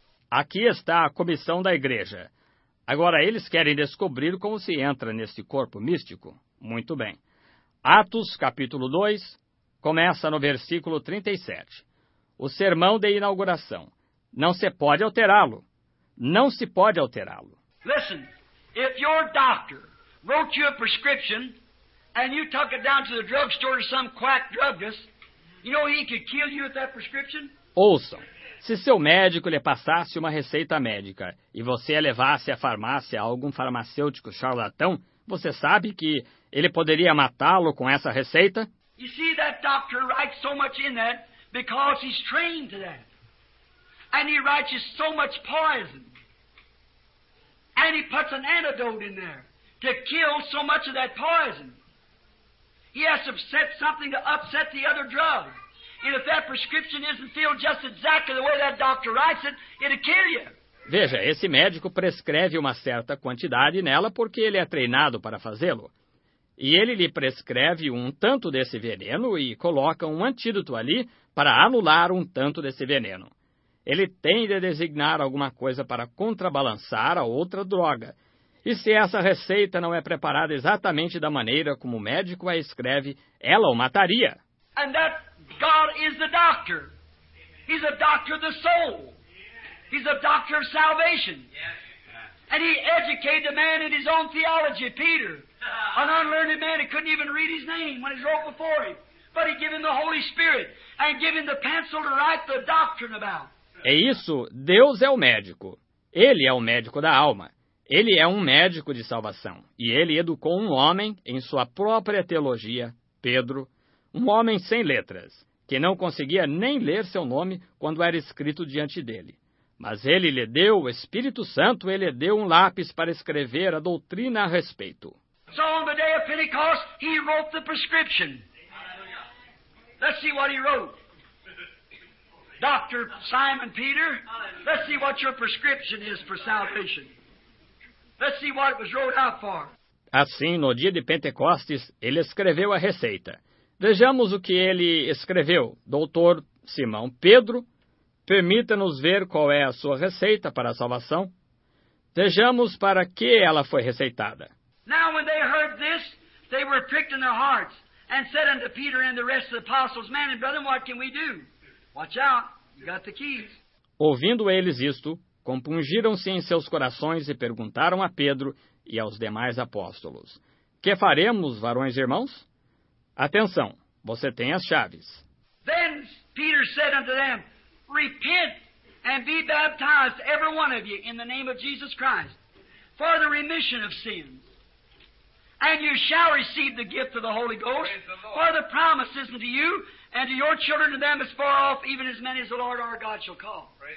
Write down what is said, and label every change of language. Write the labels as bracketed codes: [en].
[pt] Aqui está a comissão da igreja. Agora eles querem descobrir como se entra neste corpo místico. Muito bem. Atos, capítulo 2, começa no versículo 37. O sermão de inauguração. Não se pode alterá-lo. Não se pode alterá-lo. [en] Listen, if your doctor wrote you a prescription and you took it down to the drugstore to some quack druggist, you know he could kill you with that prescription? [pt] Ouçam. Se seu médico lhe passasse uma receita médica e você a levasse à farmácia a algum farmacêutico charlatão, você sabe que ele poderia matá-lo com essa receita? [en] You see, that doctor writes so much in that because he's trained to that. And he writes you so much poison. And he puts an antidote in there to kill so much of that poison. He has to set something to upset the other drug. And if that prescription isn't filled just exactly the way that doctor writes it, it'll kill you. [pt] Veja, esse médico prescreve uma certa quantidade nela porque ele é treinado para fazê-lo. E ele lhe prescreve um tanto desse veneno e coloca um antídoto ali para anular um tanto desse veneno. Ele tem de designar alguma coisa para contrabalançar a outra droga. E se essa receita não é preparada exatamente da maneira como o médico a escreve, ela o mataria. [en] And that God is the doctor. He's a doctor of the soul. He's a doctor of salvation. And he educated a man in his own theology, Peter. An unlearned man who couldn't even read his name when he wrote before him. But he gave him the Holy Spirit and gave him the pencil to write the doctrine about. [pt] É isso, Deus é o médico. Ele é o médico da alma. Ele é um médico de salvação. E ele educou um homem em sua própria teologia, Pedro, um homem sem letras, que não conseguia nem ler seu nome quando era escrito diante dele. Mas ele lhe deu o Espírito Santo, ele lhe deu um lápis para escrever a doutrina a respeito. [en] So on the day of Pentecost, he wrote the prescription. Let's see what he wrote. Dr. Simon Peter, let's see what your prescription is for salvation. Let's see what it was wrote out for. [pt] Assim, no dia de Pentecostes, ele escreveu a receita. Vejamos o que ele escreveu. Doutor Simão Pedro, permita-nos ver qual é a sua receita para a salvação. Vejamos para que ela foi receitada. [en] Now when they heard this, they were pricked in their hearts and said unto Peter and the rest of the apostles, man and brethren, what can we do? Watch out, you got the keys. [pt] Ouvindo eles isto, compungiram-se em seus corações e perguntaram a Pedro e aos demais apóstolos, que faremos, varões e irmãos? Atenção, você tem as chaves. [en] Then Peter said unto them, repent and be baptized, every one of you, in the name of Jesus Christ, for the remission of sins. And you shall receive the gift of the Holy Ghost, for the promise is unto you, and to your children, to them as far off, even as many as the Lord our God shall call.